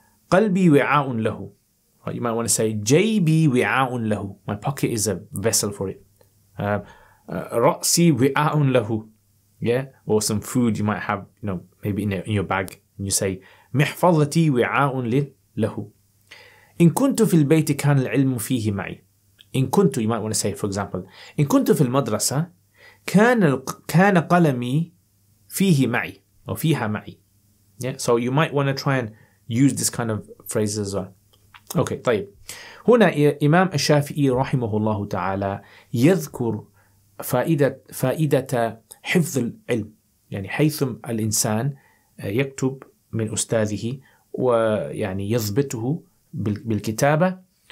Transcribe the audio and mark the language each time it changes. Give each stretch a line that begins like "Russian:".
Arabic: قلبي وعاء له.
English: You might want to say
Arabic: جيبي وعاء له.
English: My pocket is a vessel for it.
Arabic: رأسي وعاء له.
English: Yeah, or some food you might have, you know, maybe in your bag, and you say
Arabic: محفظتي وعاء له. إن كنت في البيت كان العلم فيه معي. إن كنت,
English: you might want to say, for example,
Arabic: إن كنت في المدرسة كان قلمي فيه معي أو فيها معي.
English: Yeah, so you might want to try and use this kind of phrases as well. Okay, طيب.
Arabic: هنا إمام الشافعي رحمه الله تعالى يذكر فائدة حفظ العلم. يعني حيث الإنسان يكتب من أستاذه ويعني يضبطه بالكتابة.